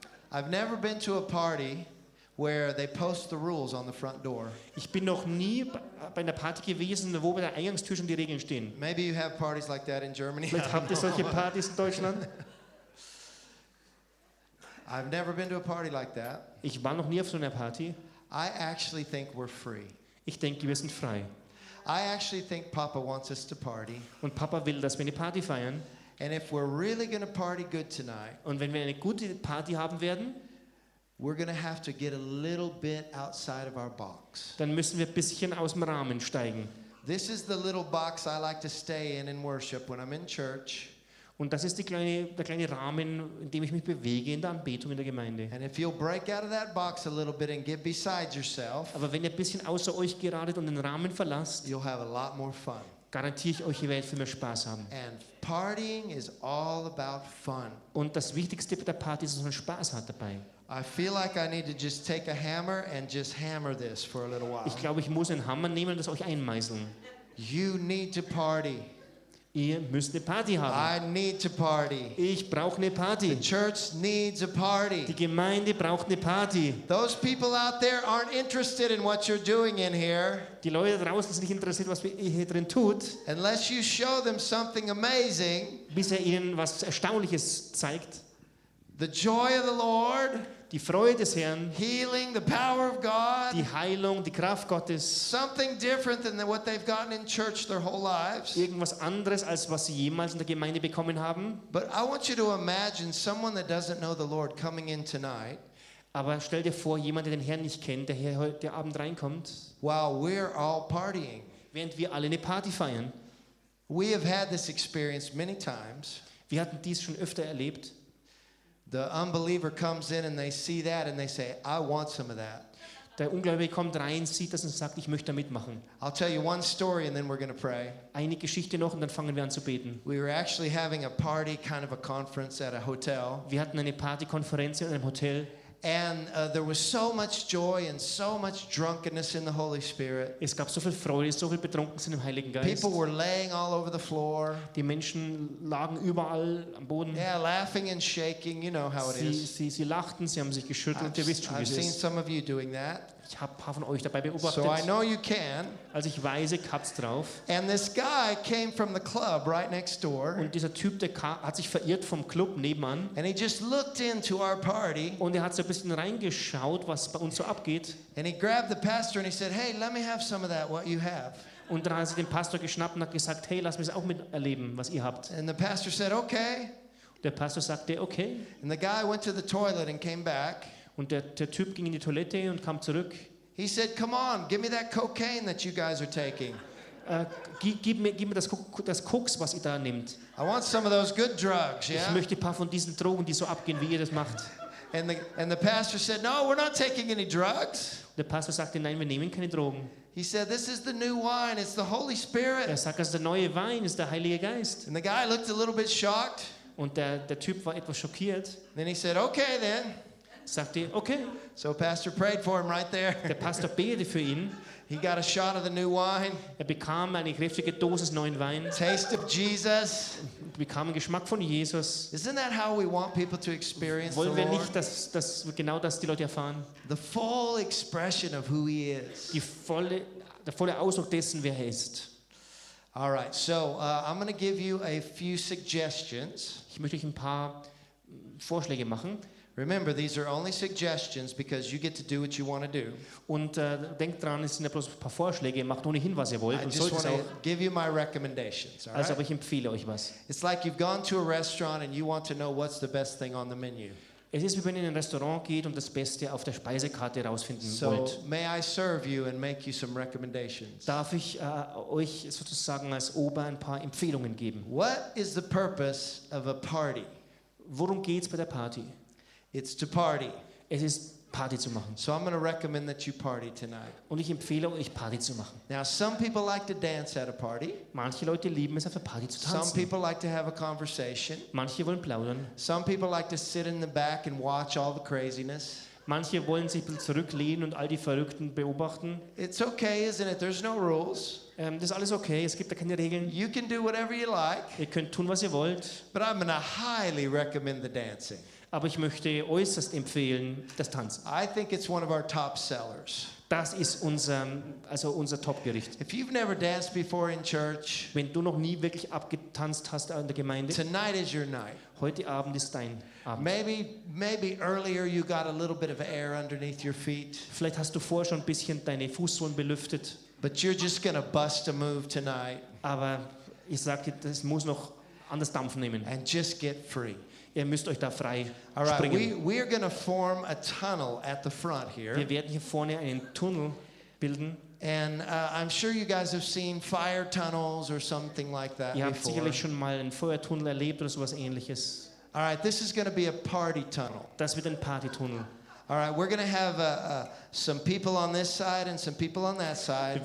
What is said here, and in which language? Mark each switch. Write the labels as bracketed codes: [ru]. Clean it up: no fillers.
[en] I've never been to a party where they post the rules on the front door. [de] Ich bin noch nie bei einer Party gewesen, wo bei der Eingangstür schon die Regeln stehen. [en] Maybe you have parties like that in Germany. [de] Vielleicht habt ihr solche Partys in Deutschland. [en] I've never been to a party like that. [de] Ich war noch nie auf so einer Party. [en] I actually think we're free. [de] Ich denke, wir sind frei. [en] I actually think Papa wants us to party. [de] Und Papa will, dass wir eine Party feiern. [en] And if we're really going to party good tonight, [de] und wenn wir eine gute Party haben werden, [en] we're going to have to get a little bit outside of our box. [de] Dann müssen wir ein bisschen aus dem Rahmen steigen. [en] This is the little box I like to stay in worship when I'm in church. [de] Und das ist der kleine Rahmen, in dem ich mich bewege in der Anbetung in der Gemeinde. [en] And if you'll break out of that box a little bit and get beside yourself, [de] aber wenn ihr ein bisschen außer euch geratet und den Rahmen verlasst, [en] you'll have a lot more fun. [de] Garantiere ich euch, ihr werdet viel mehr Spaß haben. [en] And partying is all about fun. [de] Und das Wichtigste bei der Party ist, dass man Spaß hat dabei. [en] I feel like I need to just take a hammer and just hammer this for a little while. [de] Ich glaube, ich muss einen Hammer nehmen und das euch einmeißeln. [en] You need to party. [de] Ihr müsst eine Party haben. [en] I need to party. [de] Ich brauche eine Party. [en] The church needs a party. [de] Die Gemeinde braucht eine Party. [en] Those people out there aren't interested in what you're doing in here. [de] Die Leute draußen sind nicht interessiert, was ihr hier drin tut. [en] Unless you show them something amazing. [de] Bis ihr ihnen was Erstaunliches zeigt. [en] The joy of the Lord. [de] Die Freude des Herrn. [en] Healing, the power of God. [de] Die Heilung, die Kraft Gottes. [en] Something different than what they've gotten in church their whole lives. [de] Irgendwas anderes als was sie jemals in der Gemeinde bekommen haben. [en] But I want you to imagine someone that doesn't know the Lord coming in tonight. [de] Aber stell dir vor, jemand, der den Herrn nicht kennt, der hier heute Abend reinkommt. [en] While we're all partying. [de] Während wir alle eine Party feiern. [en] We have had this experience many times. [de] Wir hatten dies schon öfter erlebt. [en] The unbeliever comes in and they see that and they say, I want some of that. [de] Der Ungläubige kommt rein, sieht das und sagt, ich möchte mitmachen. [en] I'll tell you one story and then we're going to pray. [de] Eine Geschichte noch und dann fangen wir an zu beten. [en] We were actually having a party, kind of a conference at a hotel. [de] Wir hatten eine Partykonferenz in einem Hotel. [en] And there was so much joy and so much drunkenness in the Holy Spirit. [de] Es gab so viel Freude, so viel Betrunkensein im Heiligen Geist. [en] People were laying all over the floor. [de] Die Menschen lagen überall am Boden. [en] Yeah, laughing and shaking, you know how it is. [de] Sie lachten, sie haben sich geschüttelt. Ihr wisst schon, wie es ist. [en] I've seen some of you doing that. [de] Ich habe ein paar von euch dabei beobachtet. [en] So I know you can. [de] Also ich weiß, ich hab's drauf. [en] And this guy came from the club right next door. [de] Und dieser Typ, der hat sich verirrt vom Club nebenan. [en] And he just looked into our party. [de] Und er hat so ein bisschen reingeschaut, was bei uns so abgeht. [en] And he grabbed the pastor and he said, "Hey, let me have some of that. What you have?" [de] Und dann hat er den Pastor geschnappt und hat gesagt, "Hey, lass mich auch miterleben, was ihr habt." [en] And the pastor said, "Okay." [de] Der Pastor sagte, okay. [en] And the guy went to the toilet and came back. [de] Und der Typ ging in die Toilette und kam zurück. [en] He said, "Come on, give me that cocaine that you guys are taking." [de] Gib mir das Koks, was ihr da nehmt. [en] I want some of those good drugs, yeah? [de] Ich möchte ein paar von diesen Drogen, die so abgehen, wie ihr das macht. [en] And the pastor said, "No, we're not taking any drugs." [de] Der Pastor sagte, nein, wir nehmen keine Drogen. [en] He said, "This is the new wine, it's the Holy Spirit." [de] Er sagt, das ist der neue Wein, ist der Heilige Geist. [en] And the guy looked a little bit shocked. [de] Und der Typ war etwas schockiert. [en] Then he said, "Okay, then." [de] Sagte, okay. [en] So pastor prayed for him right there. [de] Der Pastor betete für ihn. [en] He got a shot of the new wine. [de] Er bekam eine kräftige Dosis neuen Wein. [en] Taste of Jesus. [de] Bekam einen Geschmack von Jesus. [en] Isn't that how we want people to experience [de] Wollen [en] the Lord? [de] Wir nicht, dass genau das die Leute erfahren? [en] The full expression of who he is. [de] Der volle Ausdruck dessen, wer er ist. [en] All right, so I'm going to give you a few suggestions. [de] Ich möchte euch ein paar Vorschläge machen. [en] Remember, these are only suggestions because you get to do what you want to do. [de] Und denkt dran, es sind ja bloß ein paar Vorschläge. Macht ohnehin, was ihr wollt. [en] I just want to give you my recommendations. [de] Also, aber ich empfehle euch was. [en] It's like you've gone to a restaurant and you want to know what's the best thing on the menu. [de] Es ist, wie wenn ihr in ein Restaurant geht und das Beste auf der Speisekarte rausfinden wollt. [en] So, may I serve you and make you some recommendations? [de] Darf ich euch sozusagen als Ober ein paar Empfehlungen geben? [en] What is the purpose of a party? [de] Worum geht's bei der Party? [en] It's to party. [de] Es ist Party zu machen. [en] So I'm going to recommend that you party tonight. [de] Und ich empfehle euch, Party zu machen. [en] Now some people like to dance at a party. [de] Manche Leute lieben es, auf der Party zu tanzen. [en] Some people like to have a conversation. [de] Manche wollen plaudern. [en] Some people like to sit in the back and watch all the craziness. [de] Manche wollen sich zurücklehnen und all die Verrückten beobachten. [en] It's okay, isn't it? There's no rules. [de] Das ist alles okay. Es gibt da keine Regeln. [en] You can do whatever you like. [de] Ihr könnt tun, was ihr wollt. [en] But I'm going to highly recommend the dancing. [de] Aber ich möchte äußerst empfehlen, das Tanzen. [en] I think it's one of our top sellers. [de] Das ist unser Top-Gericht. [en] If you've never danced before in church, [de] wenn du noch nie wirklich abgetanzt hast in der Gemeinde, [en] tonight is your night. [de] Heute Abend ist dein Abend. [en] Maybe earlier you got a little bit of air underneath your feet. [de] Vielleicht hast du vorher schon ein bisschen deine Fußsohlen belüftet. [en] But you're just gonna bust a move tonight. [de] Aber ich sage dir, das muss noch anders Dampf nehmen. [en] And just get free. [de] Ihr müsst euch da frei [en] All right, [de] springen. [en] We are going to form a tunnel at the front here. [de] Wir werden hier vorne einen Tunnel bilden. [en] And I'm sure you guys have seen fire tunnels or something like that [de] Ihr [en] before. [de] Habt sicherlich schon mal einen Feuertunnel erlebt oder sowas ähnliches. [en] All right, this is going to be a party tunnel. [de] Das wird ein Partytunnel. [en] All right, we're going to have some people on this side and some people on that side.